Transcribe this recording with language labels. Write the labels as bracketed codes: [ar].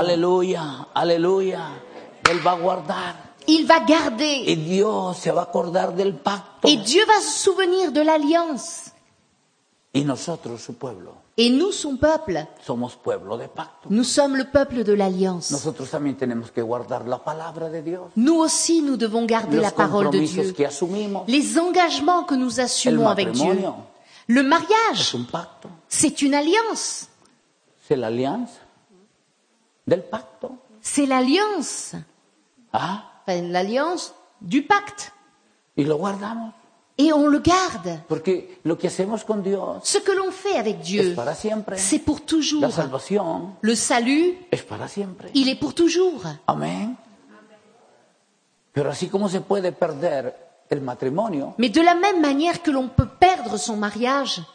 [es] Aleluya, aleluya. Él va a guardar. [fr] Il va garder. [es] Y Dios se va a acordar del pacto. [fr] Et Dieu va se souvenir de l'alliance. [es] Y nosotros, su pueblo. [fr] Et nous, son peuple. [es] Somos pueblo de pacto. [fr] Nous sommes le peuple de l'alliance. [es] Nosotros también tenemos que guardar la palabra de Dios. [fr] Nous aussi, nous devons garder [es] los [fr] la parole de Dieu. [es] Que asumimos. [fr] Les engagements que nous assumons [es] el [fr] avec Dieu. Le mariage. [es] Es un pacto. [fr] C'est une alliance. C'est l'alliance [es] del pacto. [fr] C'est l'alliance. Ah. Enfin, l'alliance du pacte. [es] Y lo guardamos. [fr] Et on le garde. [es] Porque lo que hacemos con Dios, [fr] ce que l'on fait avec Dieu, [es] es para siempre. [fr] C'est pour toujours. [es] La salvación, [fr] le salut, [es] es para siempre. [fr] Il est pour toujours. [es] Amén. Pero así como se puede perder el matrimonio, [fr] mais de la même manière que l'on peut perdre son mariage,